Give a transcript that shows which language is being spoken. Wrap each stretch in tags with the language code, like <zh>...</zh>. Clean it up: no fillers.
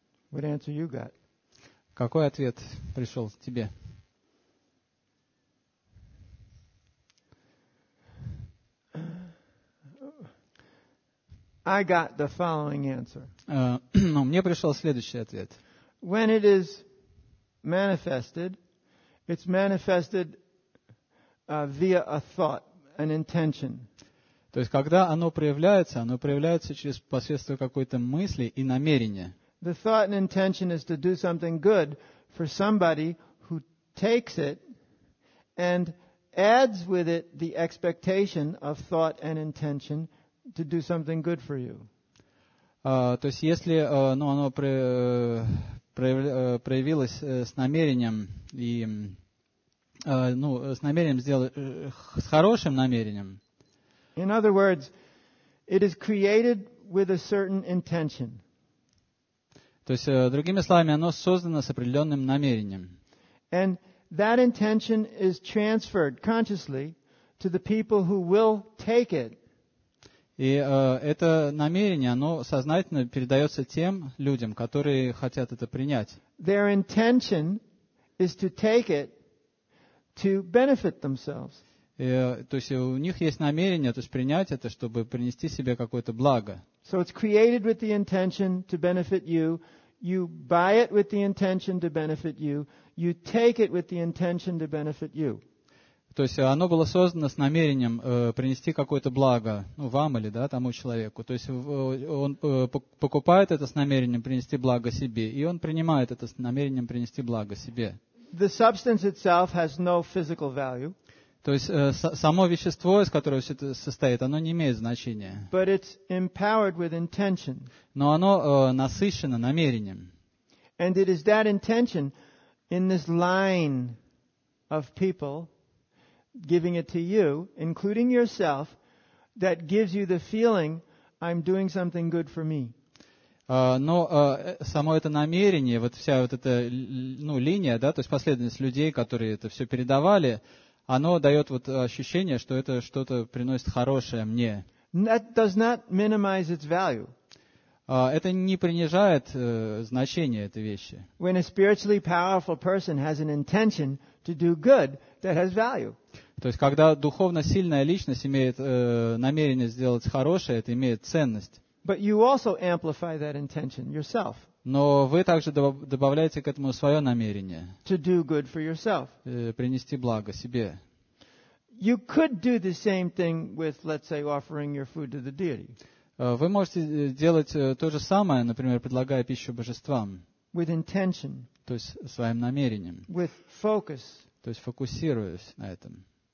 <en>What answer you got?</en> <ru>Какой ответ пришел тебе?</ru> <en>I got the following answer.</en> <ru>Ну, мне пришел следующий ответ.</ru> <en>When it is manifested, it's manifested via a thought, an intention.</en> <ru>То есть, когда оно проявляется через посредством какой-то мысли и намерения.</ru> <en>The thought and intention is to do something good for somebody who takes it and adds with it the expectation of thought and intention to do something good for you.</en> <ru>То есть, если оно проявилось с намерением и с намерением сделать с хорошим намерением.</ru> <en>In other words, it is created with a certain intention.</en> <ru>То есть, другими словами, оно создано с определенным намерением.</ru> <en>And that intention is transferred consciously to the people who will take it.</en> <ru>И это намерение, оно сознательно передается тем людям, которые хотят это принять.</ru> <en>Their intention is to take it to benefit themselves.</en> <ru>И, то есть у них есть намерение, то есть принять это, чтобы принести себе какое-то благо.</ru> <en>So it's created with the intention to benefit you. You buy it with the intention to benefit you. You take it with the intention to benefit you.</en> <ru>То есть оно было создано с намерением принести какое-то благо, ну, вам или да, тому человеку. То есть он покупает это с намерением принести благо себе, и он принимает это с намерением принести благо себе.</ru> <en>The substance itself has no physical value.</en> <ru>То есть само вещество, из которого все это состоит, оно не имеет значения.</ru> <en>But it's empowered with intention.</en> <ru>Но оно насыщено намерением.</ru> <en>And it is that intention in this line of people giving it to you, including yourself, that gives you the feeling I'm doing something good for me.</en> <ru>Но само это намерение, вот вся вот эта линия, да, то есть последовательность людей, которые это все передавали, оно дает вот ощущение, что это что-то приносит хорошее мне.</ru> <en>That does not minimize its value.</en> <ru>Это не принижает значение этой вещи.</ru> <en>When a spiritually powerful person has an intention to do good, that has value.</en> <ru>То есть, когда духовно сильная личность имеет намерение сделать хорошее, это имеет ценность.</ru> <en>But you also amplify that intention yourself.</en> <ru>Но вы также добавляете к этому свое намерение.</ru> <en>To do good for yourself.</en> <ru>Принести благо себе.</ru> <en>You could do the same thing with, let's say, offering your food to the deity.</en> <ru>Вы можете делать то же самое, например, предлагая пищу божествам.</ru> <en>With intention.</en> <ru>То есть своим намерением.</ru> <en>With focus.</en> <ru>То есть фокусируясь на этом.</ru>